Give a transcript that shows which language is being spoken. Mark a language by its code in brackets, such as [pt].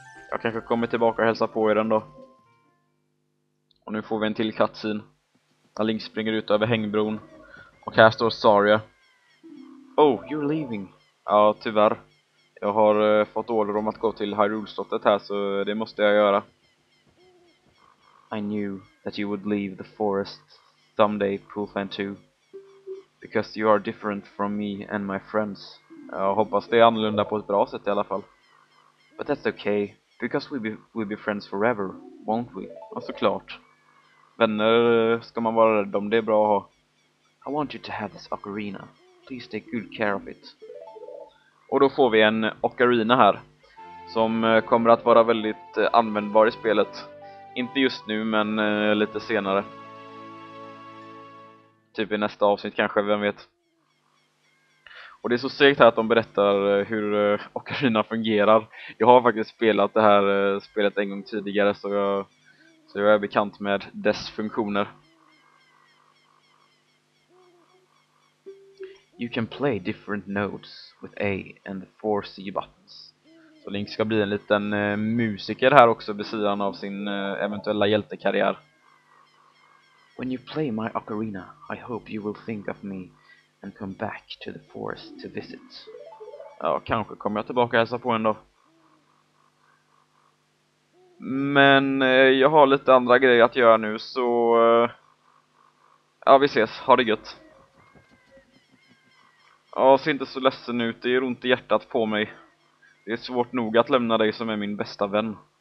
[sv] Jag kanske kommer tillbaka och hälsa på er ändå. Och nu får vi en till cutscene. När Link springer ut över hängbron. Och här står Saria. [en] Oh, you're leaving. [sv] Ja, tyvärr. Jag har fått order om att gå till Hyrule-slottet här, så det måste jag göra. [en] I knew that you would leave the forest someday, Poofan 2. Because you are different from me and my friends. [sv] Jag hoppas det är annorlunda på ett bra sätt i alla fall. [en] But that's okay, because we'll be friends forever, won't we? [sv] Ja, såklart. Vänner ska man vara rädd om, det är bra att ha. [en] I want you to have this ocarina. Please take good care of it. [sv] Och då får vi en ocarina här. Som kommer att vara väldigt användbar i spelet. Inte just nu, men lite senare. Typ i nästa avsnitt kanske, vem vet. Och det är så segt här att de berättar hur ocarina fungerar. Jag har faktiskt spelat det här spelet en gång tidigare, så jag... Så jag är bekant med dess funktioner. [en] You can play different notes with A and the 4C buttons. [sv] Så Link ska bli en liten musiker här också vid sidan av sin eventuella hjältekarriär. [en] When you play my ocarina, I hope you will think of me and come back to the forest to visit. [sv] Ja, kanske kommer jag tillbaka och hälsa på en dag. Men jag har lite andra grejer att göra nu, så ja, vi ses. Ha det gött. Ja, ser inte så ledsen ut. Det gör ont i hjärtat på mig. Det är svårt nog att lämna dig som är min bästa vän.